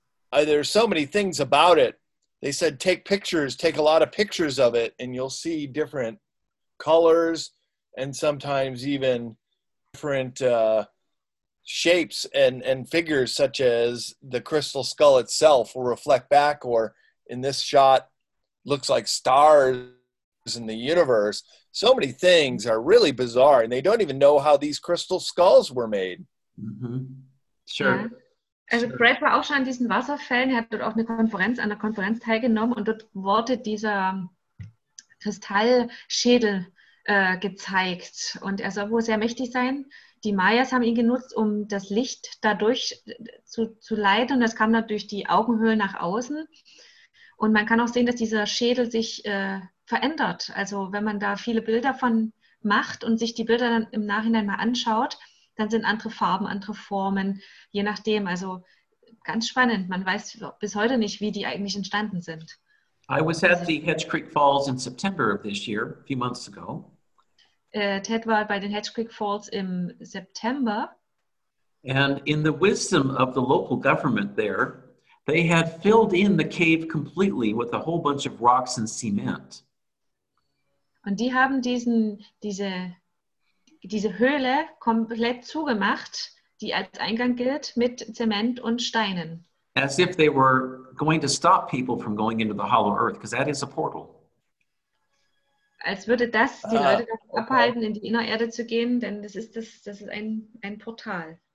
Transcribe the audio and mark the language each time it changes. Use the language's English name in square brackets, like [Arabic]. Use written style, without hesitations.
[English] There's so many things about it. They said, take pictures, take a lot of pictures of it, and you'll see different colors and sometimes even different shapes and figures, such as the Crystal Skull itself will reflect back, or in this shot, looks like stars in the universe. So many things are really bizarre, and they don't even know how these crystal skulls were made. Mm-hmm. Sure. Yeah. [German] Also Greg war auch schon an diesen Wasserfällen, er hat dort auch an einer Konferenz teilgenommen, und dort wurde dieser Kristallschädel gezeigt, und er soll wohl sehr mächtig sein. Die Mayas haben ihn genutzt, um das Licht dadurch zu leiten, und das kam dann durch die Augenhöhlen nach außen. Und man kann auch sehen, dass dieser Schädel sich verändert. Also wenn man da viele Bilder von macht und sich die Bilder dann im Nachhinein mal anschaut, dann sind andere Farben, andere Formen, je nachdem. Also ganz spannend. Man weiß bis heute nicht, wie die eigentlich entstanden sind. [English] I was at the Hedge Creek Falls in September of this year, a few months ago. [German] Ted war bei den Hedge Creek Falls im September. [English] And in the wisdom of the local government there, they had filled in the cave completely with a whole bunch of rocks and cement. [German] Und die haben diese Höhle komplett zugemacht, die als Eingang gilt, mit Zement und Steinen. [English] As if they were going to stop people from going into the hollow earth, because that is a portal. [German] Als würde das die Leute davon abhalten, in die Innererde zu gehen, denn das ist ein Portal.